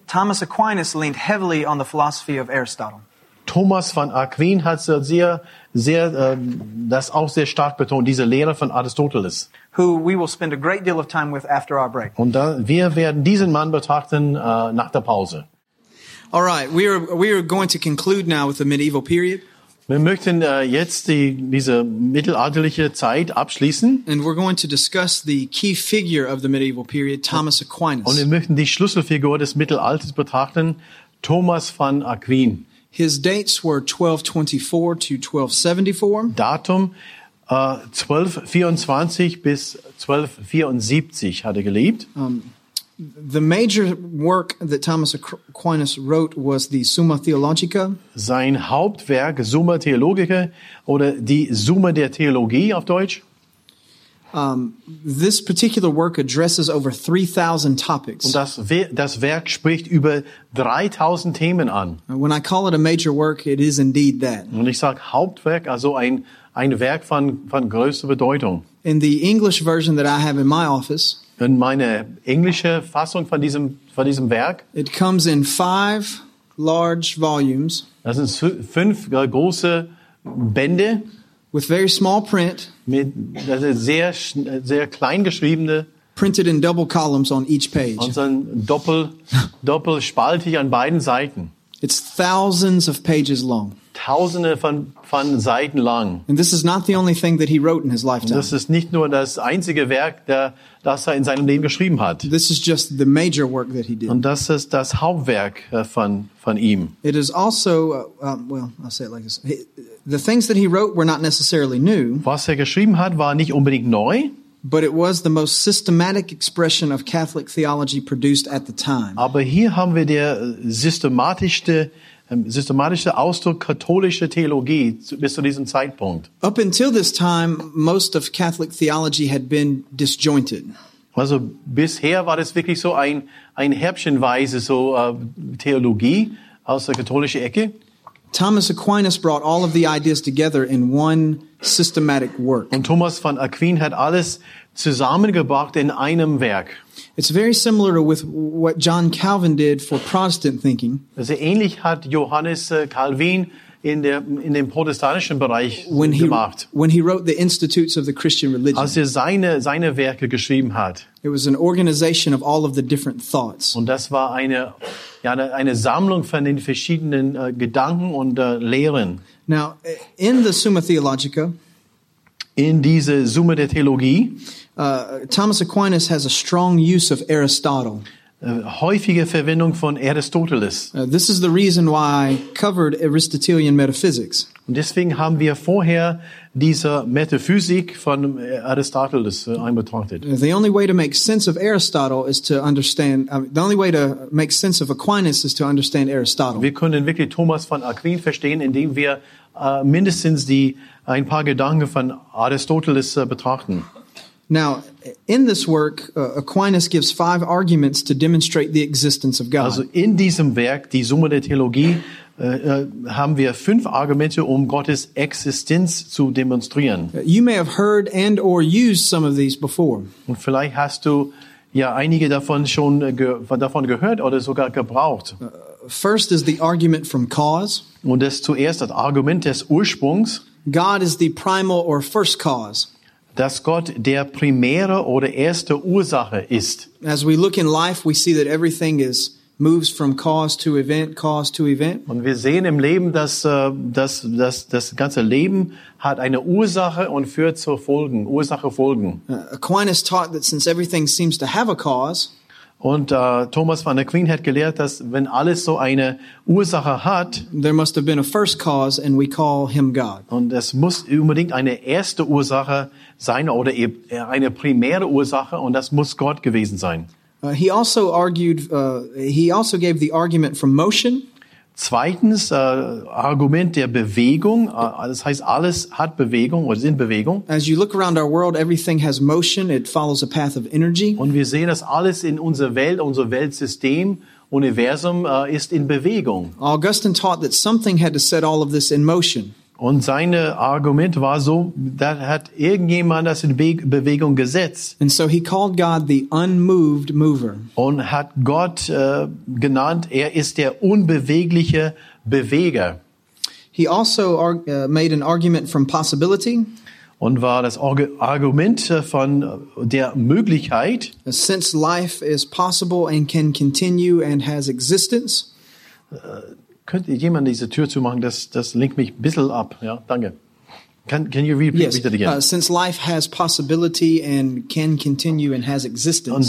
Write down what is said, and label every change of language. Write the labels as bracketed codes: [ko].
[en] Thomas Aquinas leaned heavily on the philosophy of Aristotle. [de] Thomas von Aquin hat sehr das auch sehr stark betont, diese Lehre von Aristoteles. [en] Who we will spend a great deal of time with after our break. [de] Und da, wir werden diesen Mann betrachten nach der Pause. [en] All right, we are going to conclude now with the medieval period. [de] Wir möchten jetzt diese mittelalterliche Zeit abschließen. [en] And we're going to discuss the key figure of the medieval period, Thomas Aquinas. [de] Und wir möchten die Schlüsselfigur des Mittelalters betrachten, Thomas von Aquin. [en] His dates were 1224 to 1274. [de] Datum 1224 bis 1274 hat er gelebt. [en] The major work that Thomas Aquinas wrote was the Summa Theologica. [de] Sein Hauptwerk Summa Theologica oder die Summe der Theologie auf Deutsch. [en] This particular work addresses over 3,000 topics. [de] Und das Werk spricht über 3,000 Themen an. [en] When I call it a major work, it is indeed that. [de] Und ich sag Hauptwerk, also ein Werk von größter Bedeutung. [en] In the English version that I have in my office. [de] In meine englische Fassung von diesem Werk. [en] It comes in 5 large volumes. [de] Das sind 5 große Bände. [en] With very small print. [de] Das ist sehr, sehr klein geschriebene. [en] Printed in double columns on each page. [de] Und dann doppelspaltig an beiden Seiten. [en] It's thousands of pages long. [de] Tausende von Seiten lang. [en] And this is not the only thing that he wrote in his lifetime. [de] Das ist nicht nur das einzige Werk, das er in seinem Leben geschrieben hat. [en] This is just the major work that he did. [de] Und das ist das Hauptwerk von ihm. [en] It is also, I'll say it like this. The things that he wrote were not necessarily new. [de] Was er geschrieben hat, war nicht unbedingt neu. [en] But it was the most systematic expression of Catholic theology produced at the time. [de] Aber hier haben wir der systematische Ausdruck katholischer Theologie bis zu diesem Zeitpunkt. [en] Up until this time, most of Catholic theology had been disjointed. [de] Also bisher war das wirklich so ein häppchenweise so Theologie aus der katholischen Ecke. [en] Thomas Aquinas brought all of the ideas together in one systematic work. [de] Und Thomas von Aquin hat alles zusammengebracht in einem Werk. [en] It's very similar to with what John Calvin did for Protestant thinking. [de] Also ähnlich hat Johannes Calvin in dem protestantischen Bereich gemacht. [en] When he wrote the Institutes of the Christian Religion. [de] Als er seine Werke geschrieben hat. [en] It was an organization of all of the different thoughts. [de] Und das war eine Sammlung von den verschiedenen Gedanken und Lehren. [en] Now, in the Summa Theologica. [de] In diese Summe der Theologie. [en] Thomas Aquinas has a strong use of Aristotle. [de] Häufige Verwendung von Aristoteles. [en] This is the reason why I covered Aristotelian metaphysics. [de] Und deswegen haben wir vorher diese Metaphysik von Aristoteles einbetrachtet. [en] The only way to make sense of Aristotle is to understand. The only way to make sense of Aquinas is to understand Aristotle. [de] Wir können wirklich Thomas von Aquin verstehen, indem wir mindestens ein paar Gedanken von Aristoteles betrachten. [en] Now, in this work, Aquinas gives 5 arguments to demonstrate the existence of God. [de] Also in diesem Werk, die Summe der Theologie, haben wir 5 Argumente, um Gottes Existenz zu demonstrieren. [en] You may have heard and or used some of these before. [de] Und vielleicht hast du ja einige davon schon davon gehört oder sogar gebraucht. [en] First is the argument from cause. [de] Und das zuerst das Argument des Ursprungs. [en] God is the primal or first cause. [de] Dass Gott der primäre oder erste Ursache ist. [en] As we look in life, we see that everything is moves from cause to event, cause to event. [de] Und wir sehen im Leben, dass das ganze Leben hat eine Ursache und führt zu Folgen, Ursache Folgen. [en] Aquinas taught that since everything seems to have a cause. [de] Und Thomas van Aquin hat gelehrt, dass wenn alles so eine Ursache hat, [en] there must have been a first cause and we call him God. [de] Und es muss unbedingt eine erste Ursache sein oder eine primäre Ursache und das muss Gott gewesen sein. [en] He also gave the argument for motion. [de] Zweitens, Argument der Bewegung, das heißt, alles hat Bewegung oder ist in Bewegung. [en] As you look around our world, everything has motion, it follows a path of energy. [de] Und wir sehen, dass alles in unserer Welt, unser Weltsystem, Universum, ist in Bewegung. [en] Augustine taught that something had to set all of this in motion. [de] Und sein Argument war so, da hat irgendjemand das in Bewegung gesetzt. [en] And so he called God the unmoved mover. [de] Und hat Gott genannt, er ist der unbewegliche Beweger. [en] He also made an argument from possibility. [de] Und war das Argument von der Möglichkeit. [en] Since life is possible and can continue and has existence. [de] Könnte jemand diese Tür zumachen? Das lenkt mich ein bisschen ab. Ja, danke. [en] Can you repeat yes. it again? Since life has possibility and can continue and has existence.